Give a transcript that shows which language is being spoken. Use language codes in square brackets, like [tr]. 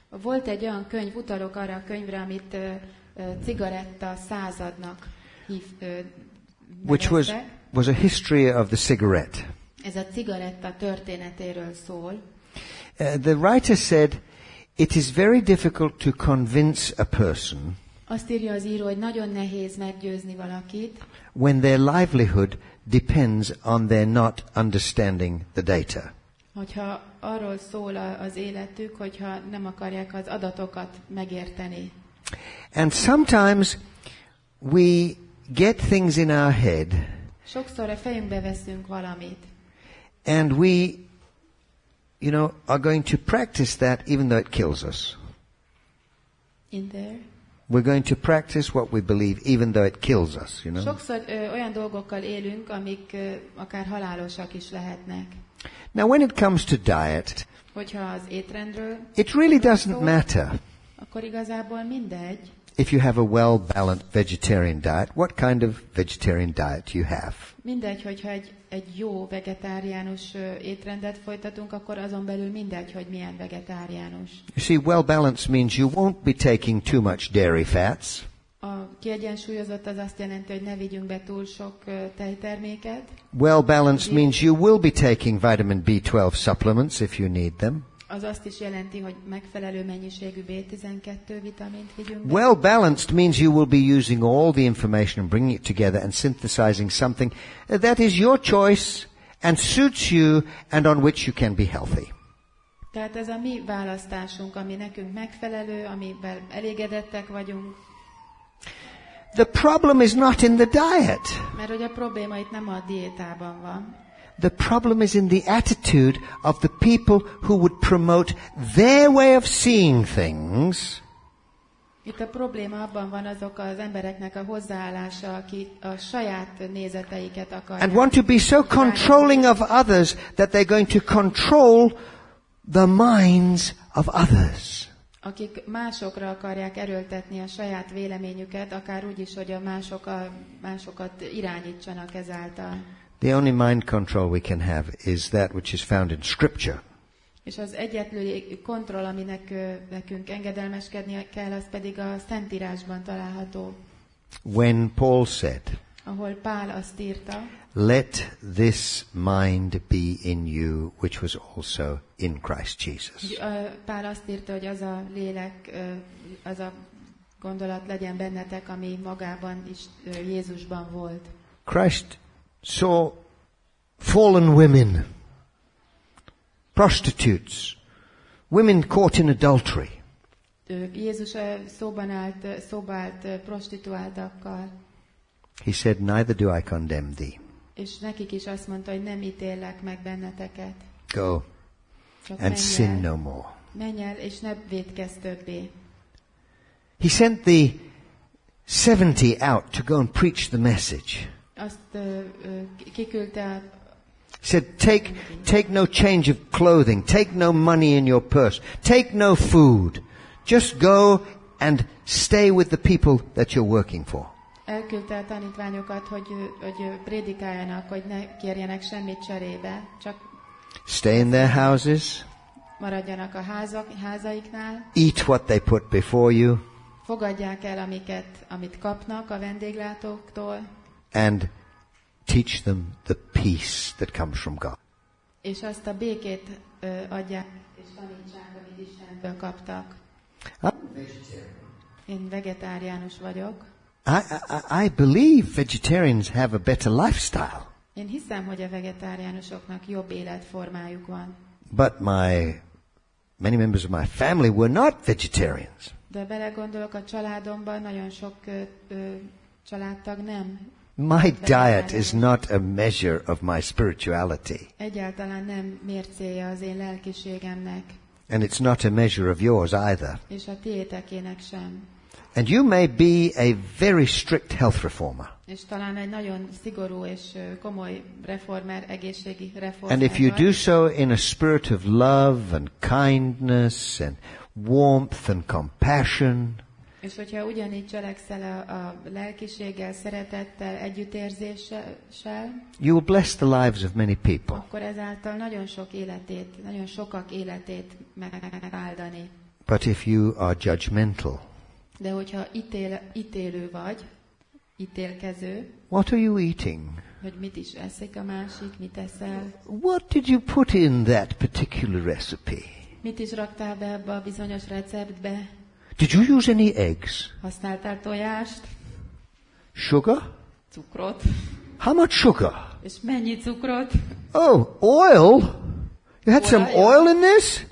[hu] Volt egy olyan könyv, utalok arra a könyvre, amit cigaretta századnak nevezte. [en] Which was a history of the cigarette. [hu] Ez a cigaretta történetéről szól. [en] The writer said, it is very difficult to convince a person. [hu] Azt írja az író, hogy nagyon nehéz meggyőzni valakit. [en] When their livelihood depends on their not understanding the data. [hu] Hogyha arról szól az életük, hogyha nem akarják az adatokat megérteni. [en] And sometimes we get things in our head. [hu] Sokszor a fejünkbe veszünk valamit. [en] And we, you know, are going to practice that even though it kills us. In there. We're going to practice what we believe even though it kills us, you know. [hu] Sokszor olyan dolgokkal élünk, amik akár halálosak is lehetnek. [en] Now when it comes to diet, [hu] hogyha az étrendről, [en] it really doesn't matter. [hu] Akkor igazából mindegy. [en] If you have a well-balanced vegetarian diet, what kind of vegetarian diet you have? [hu] Mindegy, hogyha egy jó vegetáriánus étrendet folytatunk, akkor azon belül mindegy, hogy milyen vegetáriánus. [en] You see, well-balanced means you won't be taking too much dairy fats. [hu] A kiegyensúlyozott az azt jelenti, hogy ne vigyünk be túl sok tejterméket. [en] Well-balanced means you will be taking vitamin B12 supplements if you need them. [hu] Az azt is jelenti, hogy megfelelő mennyiségű B12 vitamint vigyünk. [en] Well balanced means you will be using all the information and bringing it together and synthesizing something that is your choice and suits you and on which you can be healthy. [hu] Tehát ez a mi választásunk, ami nekünk megfelelő, amivel elégedettek vagyunk. [en] The problem is not in the diet. [hu] Mert hogy a probléma itt nem a diétában van. [en] The problem is in the attitude of the people who would promote their way of seeing things. [hu] Itt a probléma abban van, azok az embereknek a hozzáállása, aki a saját nézeteiket akarja. [en] And want to be so controlling of others that they're going to control the minds of others. [hu] Akik másokra akarják erőltetni a saját véleményüket, akár úgy is, hogy a másokat irányítsanak ezáltal. [en] The only mind control we can have is that which is found in Scripture. [hu] És az egyetlen kontroll, aminek nekünk engedelmeskedni kell, az pedig a Szentírásban található. [en] When Paul said, [hu] ahol Pál azt írta, [en] let this mind be in you, which was also in Christ Jesus. [hu] Pál azt írta, hogy az a lélek, az a gondolat legyen bennetek, ami magában is Jézusban volt. [en] Christ saw fallen women, prostitutes, women caught in adultery. [hu] Jézus szóban állt, prostituáltakkal. [en] He said, neither do I condemn thee. [hu] És nekik is azt mondta, hogy nem ítéllek meg benneteket. [en] Go and sin no more. [hu] Menj el, és ne vétkezz többé. [en] He sent the 70 out to go and preach the message. [hu] Azt kiküldte. [en] Said, take no change of clothing, take no money in your purse, take no food. Just go and stay with the people that you're working for. [hu] Elküldte a tanítványokat, hogy prédikáljanak, hogy ne kérjenek semmit cserébe, csak [en] stay in their houses. [hu] Maradjanak a házaiknál. [en] Eat what they put before you. [hu] Fogadják el, amit kapnak a vendéglátóktól. [en] And teach them the peace that comes from God. [hu] És azt a békét adják, és tanítsák, amit Istentől kaptak. Én vegetáriánus vagyok. [en] I believe vegetarians have a better lifestyle. [hu] Én hiszem, hogy a vegetáriánusoknak jobb életformájuk van. [en] But many members of my family were not vegetarians. [hu] De belegondolok, a családomban nagyon sok családtag nem. [en] My diet is not a measure of my spirituality. [hu] Egyáltalán nem mércéje az én lelkiségemnek. [en] And it's not a measure of yours either. [hu] És a tiétekének sem. [en] And you may be a very strict health reformer. [hu] És talán egy nagyon szigorú és komoly reformer, egészségi reformer. [en] And if you do so in a spirit of love and kindness and warmth and compassion. [hu] És hogyha ugyanígy cselekszel a lelkiséggel, szeretettel, együttérzéssel. [en] You will bless the lives of many people. [hu] Akkor ezáltal nagyon sok életét, nagyon sokak életét megáldani. [en] But if you are judgmental. [hu] De hogyha ítélő vagy, ítélkező. [en] What are you eating? [hu] Hogy mit is eszik a másik, mit eszel? [en] What did you put in that particular recipe? [hu] Mit is raktál be abba a bizonyos receptbe? [en] Did you use any eggs? [hu] Használtál tojást? [en] Sugar? [hu] Cukrot. [en] How much sugar? [hu] És mennyi cukrot? [en] Oh, oil? You had some oil in this?